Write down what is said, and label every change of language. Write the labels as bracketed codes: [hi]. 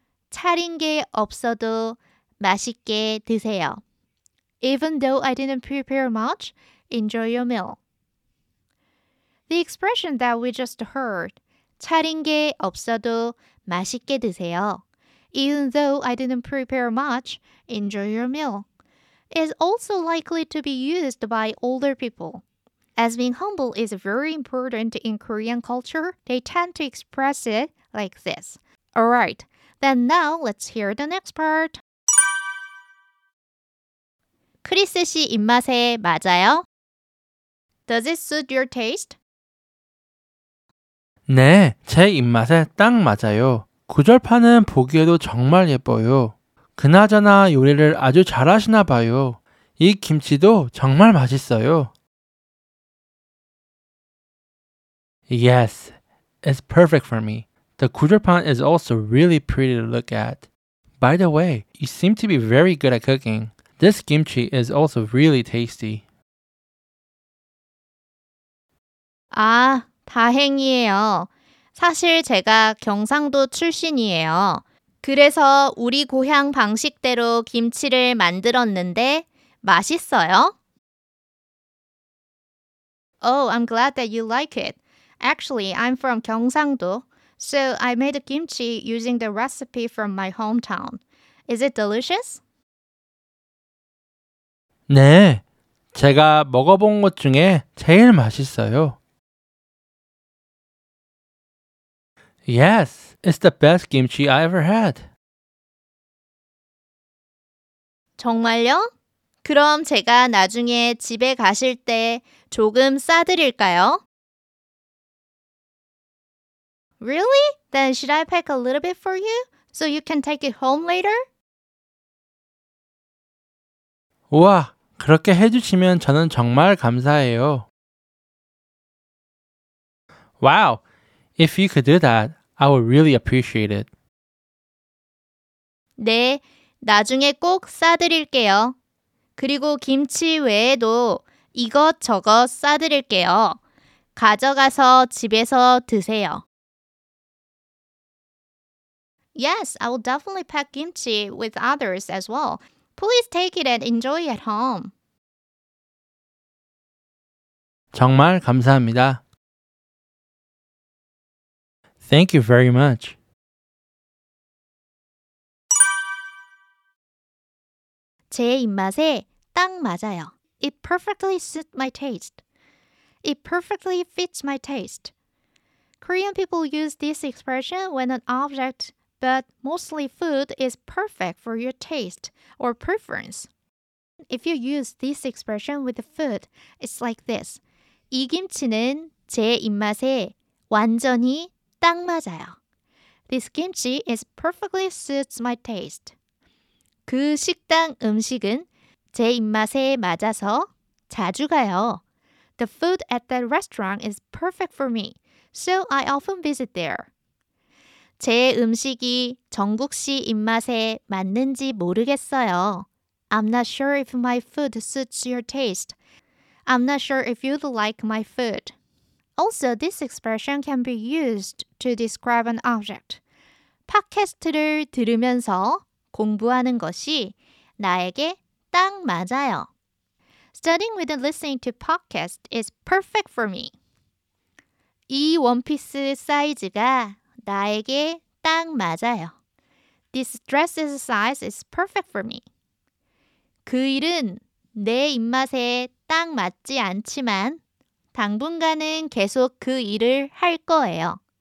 [ko] 차린 게 없어도 맛있게 드세요. [en] Even though I didn't prepare much, enjoy your meal. The expression that we just heard, [ko] 차린 게 없어도 맛있게 드세요. [en] Even though I didn't prepare much, enjoy your meal, is also likely to be used by older people. As being humble is very important in Korean culture, they tend to express it like this. Alright, then now let's hear the next part. [ko] 크리스 씨 입맛에 맞아요? [en] Does it suit your taste? [ko] 네, 제 입맛에 딱 맞아요. 구절판은 보기에도 정말 예뻐요. 그나저나 요리를 아주 잘하시나 봐요. 이 김치도 정말 맛있어요. [en] Yes, it's perfect for me. The 구절판 is also really pretty to look at. By the way, you seem to be very good at cooking. This kimchi is also really tasty. [ko] 아, 다행이에요. 사실 제가 경상도 출신이에요. 그래서 우리 고향 방식대로 김치를 만들었는데 맛있어요. [en] Oh, I'm glad that you like it. Actually, I'm from Gyeongsangdo, so I made the kimchi using the recipe from my hometown. Is it delicious? [ko] 네, 제가 먹어본 것 중에 제일 맛있어요. [en] Yes, it's the best kimchi I ever had. [ko] 정말요? 그럼 제가 나중에 집에 가실 때 조금 싸드릴까요? [en] Really? Then should I pack a little bit for you so you can take it home later? [ko] 우와, 그렇게 해주시면 저는 정말 감사해요. [en] Wow, if you could do that, I would really appreciate it. [ko] 네, 나중에 꼭 싸드릴게요. 그리고 김치 외에도 이것저것 싸드릴게요. 가져가서 집에서 드세요. [en] Yes, I will definitely pack kimchi with others as well. Please take it and enjoy at home. [ko] 정말 감사합니다. [en] Thank you very much. [ko] 제 입맛에 딱 맞아요. [en] It perfectly suits my taste. It perfectly fits my taste. Korean people use this expression when an object, but mostly food, is perfect for your taste or preference. If you use this expression with food, it's like this. [ko] 이 김치는 제 입맛에 완전히 딱 맞아요. [en] This kimchi is perfectly suits my taste. [ko] 그 식당 음식은 제 입맛에 맞아서 자주 가요. [en] The food at that restaurant is perfect for me, so I often visit there. [ko] 제 음식이 정국 씨 입맛에 맞는지 모르겠어요. [en] I'm not sure if my food suits your taste. I'm not sure if you'd like my food. Also, this expression can be used to describe an object. [ko] 팟캐스트를 들으면서 공부하는 것이 나에게 딱 맞아요. [en] Studying with and listening to podcast is perfect for me. [ko] 이 원피스 사이즈가 나에게 딱 맞아요. [en] This dress's size is perfect for me. [ko] 그 일은 내 입맛에 딱 맞지 않지만 당분간은 계속 그 일을 할 거예요.